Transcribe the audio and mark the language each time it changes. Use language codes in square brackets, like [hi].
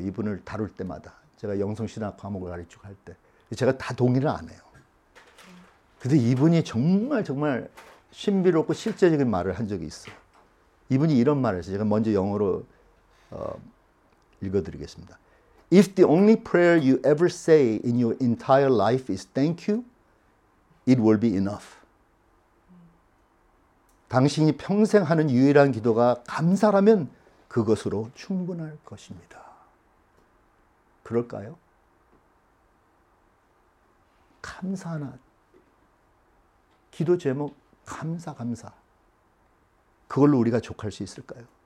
[ko] 이분을 다룰 때마다. 제가 영성신학 과목을 가르치고 할 때. 제가 다 동의를 안 해요. 근데 이분이 정말 정말 신비롭고 실제적인 말을 한 적이 있어요. 이분이 이런 말을 했어요. 제가 먼저 영어로 읽어드리겠습니다. [en] If the only prayer you ever say in your entire life is thank you, it will be enough. [ko] 당신이 평생 하는 유일한 기도가 감사라면 그것으로 충분할 것입니다. 그럴까요? 감사나 기도 제목 감사 감사 그걸로 우리가 족할 수 있을까요?